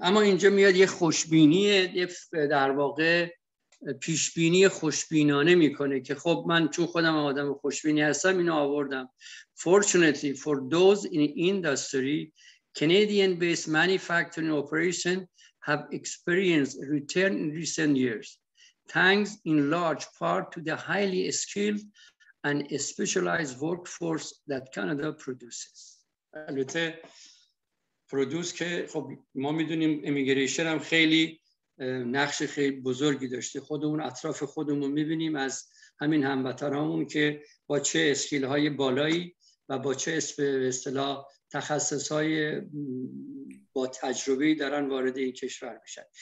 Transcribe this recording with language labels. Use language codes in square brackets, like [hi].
[fa] اما اینجا میاد یه خوشبینیه، در واقع پیشبینی خوشبینانه میکنه که خب من چون خودم آدم خوشبینی هستم اینو آوردم. [en] Fortunately for those in industry, Canadian based manufacturing operation have experienced return in recent years thanks in large part to the highly skilled and specialized workforce that Canada produces. [fa] البته پرودوس که خب ما میدونیم امیگریشن هم خیلی نقش خیلی بزرگی داشته. خودمون اطراف خودمون میبینیم از همین هموطنامون که با چه اسکیل های بالایی و با چه به اصطلاح تخصص های با تجربه دارن وارد این کشور میشن.